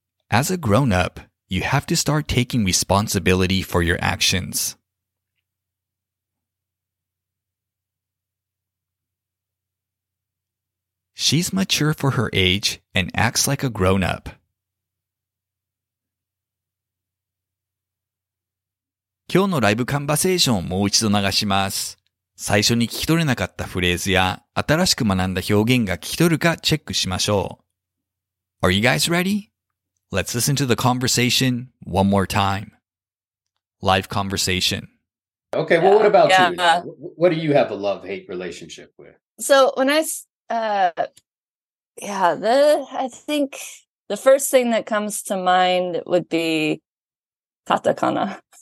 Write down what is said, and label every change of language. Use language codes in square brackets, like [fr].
[en] As a grown-up, you have to start taking responsibility for your actions. She's mature for her age and acts like a grown-up. [ja] 今日のライブカンバセーションをもう一度流します。最初に聞き取れなかったフレーズや新しく学んだ表現が聞き取るかチェックしましょう。 [en] Are you guys ready? Let's listen to the conversation one more time. Live conversation. Okay, well, what about you? What do you have a love-hate relationship with? So when I, I think The first thing that comes to mind would be katakana.